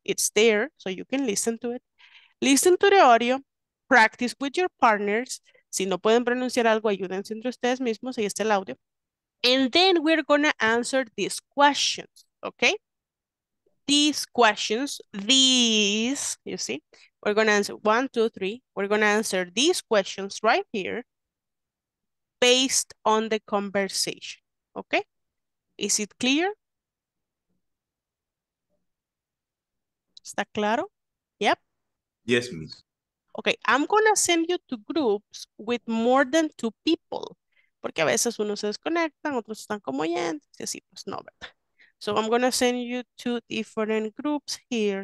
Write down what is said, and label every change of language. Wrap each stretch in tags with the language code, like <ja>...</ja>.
<en>It's there, so you can listen to it. Listen to the audio. Practice with your partners.</en> <es>Si no pueden pronunciar algo, ayúdense entre ustedes mismos. Ahí está el audio.</es> <en>And then we're going to answer these questions, okay? These questions, these, you see, we're going to answer 1, 2, 3. We're going to answer these questions right here based on the conversation. Okay? Is it clear?</en> <es>¿Está claro? Yep.</es> <en>Yes, miss. Okay, I'm going to send you to groups with more than 2 people.</en> <es>Porque a veces unos se desconectan, otros están como oyentes, y así, pues no, ¿verdad?</es> <en>So I'm going to send you 2 different groups here.</en>